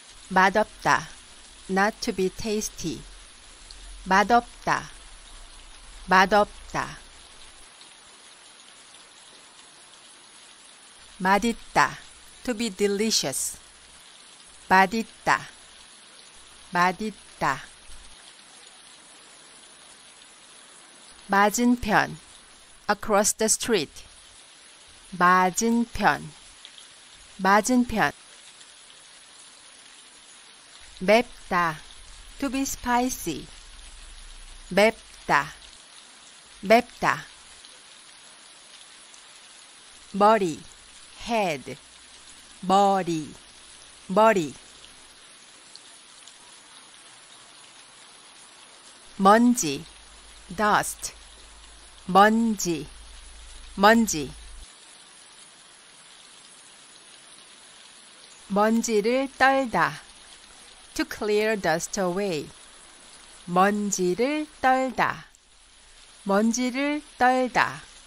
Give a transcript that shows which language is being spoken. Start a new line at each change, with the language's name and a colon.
English: 맛없다, not to be tasty, 맛없다, 맛없다.
Korean: 맛있다,
English: to be delicious,
Korean: 맛있다, 맛있다. 맞은편,
English: across the street,
Korean: 맞은편, 맞은편. 맵다,
English: to be spicy,
Korean: 맵다, 맵다. 머리, head, 머리, 머리. 먼지, dust, 먼지, 먼지. 먼지를 떨다,
English: to clear dust away.
Korean: 먼지를 떨다, 먼지를 떨다.